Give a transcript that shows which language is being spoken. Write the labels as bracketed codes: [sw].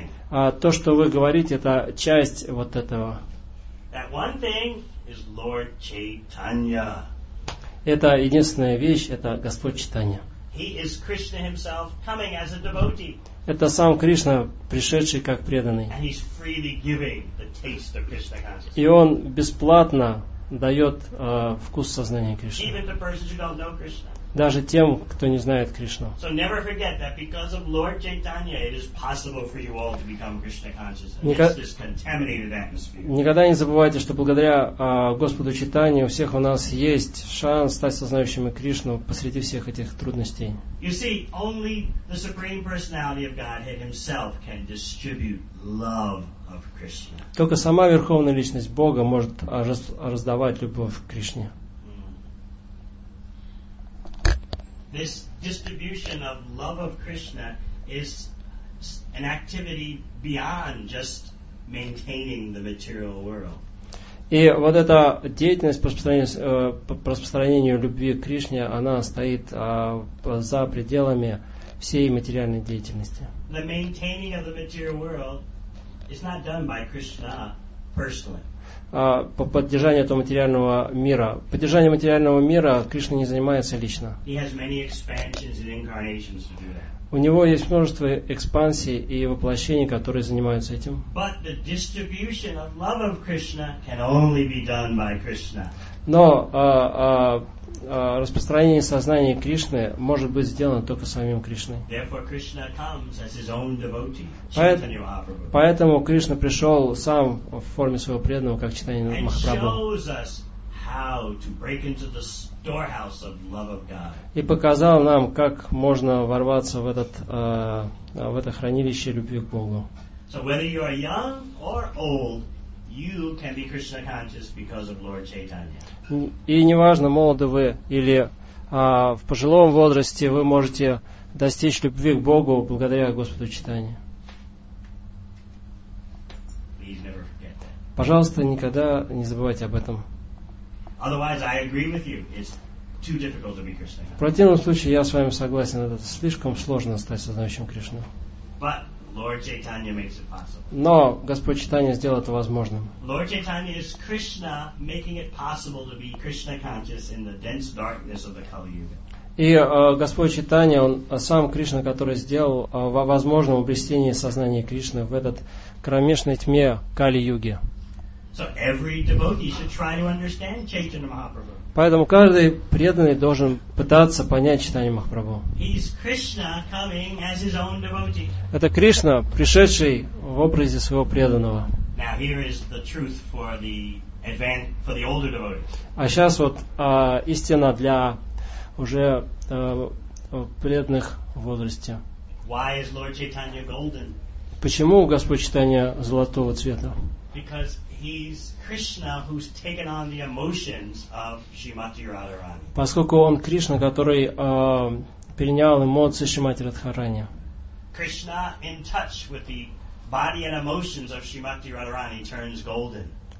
[ru] То, что вы говорите, это часть вот этого. [en] That one thing is Lord Chaitanya. [ru] Это единственная вещь, это Господь Чайтанья. [en] He is Krishna himself coming as a devotee. [ru] Это сам Кришна, пришедший как преданный. [en] And he's freely giving the taste of Krishna consciousness. [ru] И он бесплатно дает вкус сознания Кришны. [en] Even to persons who don't know Krishna. [ru] Даже тем, кто не знает Кришну. [en] So never forget that because of Lord Chaitanya, it is possible for you all to become Krishna conscious. This contaminated atmosphere. [ru] Никогда не забывайте, что благодаря Господу Чайтанье у всех у нас есть шанс стать сознающими Кришну посреди всех этих трудностей. [en] You see, only the Supreme Personality of Godhead himself can distribute love. [ru] Только сама Верховная Личность Бога может раздавать любовь к Кришне. [en] This distribution of love of Krishna is an activity beyond just maintaining the material world. [ru] И вот эта деятельность по распространению любви к Кришне, она стоит за пределами всей материальной деятельности. [en] The maintaining of the material world. It's not done by Krishna personally. [ru] По поддержанию этого материального мира. Поддержание материального мира Кришна не занимается лично. [en] He has many expansions and incarnations to do that. [ru] У него есть множество экспансий и воплощений, которые занимаются этим. [en] But the distribution of love of Krishna can only be done by Krishna. [ru] Но распространение сознания Кришны может быть сделано только самим Кришной. [en] Therefore, Krishna comes as his own devotee, Chaitanya Mahaprabhu. [ru] Поэтому Кришна пришел сам в форме своего преданного, как Чайтанья Махапрабху. [en] And shows us how to break into the storehouse of love of God. [ru] И показал нам, как можно ворваться в этот в это хранилище любви к Богу. [en] So whether you are young or old, you can be Krishna conscious because of Lord Chaitanya. [ru] И неважно, молоды вы или в пожилом возрасте, вы можете достичь любви к Богу благодаря Господу Чайтанье. [en] Please never forget that. [ru] Пожалуйста, никогда не забывайте об этом. [en] Otherwise, I agree with you. It's too difficult to be Krishna conscious. [ru] В противном случае, я с вами согласен, это слишком сложно стать сознающим Кришну. [en] But Lord Chaitanya makes it possible. [ru] Но Господь Чайтанья сделал это возможным. [en] Lord Chaitanya is Krishna making it possible to be Krishna conscious in the dense darkness of the Kali Yuga. [ru] И Господь Чайтанья, он сам Кришна, который сделал возможным обретение сознания Кришны в этот кромешной тьме Кали-юги. [en] So every devotee should try to understand Chaitanya Mahaprabhu. [ru] Поэтому каждый преданный должен пытаться понять Чайтанью Махапрабху. [en] He's Krishna coming as his own devotee. [ru] Это Кришна, пришедший в образе своего преданного. [en] Now here is the truth for the for the older devotees. [ru] А сейчас вот истина для уже преданных в возрасте. [en] Why is Lord Chaitanya golden? [ru] Почему Господь Чайтанья золотого цвета? [en] Because he's Krishna who's taken on the emotions of Shrimati Radharani. [ru] Поскольку он Кришна, который перенял эмоции Шримати Радхарани. [en] Krishna in touch with the body and emotions of Shrimati Radharani turns golden.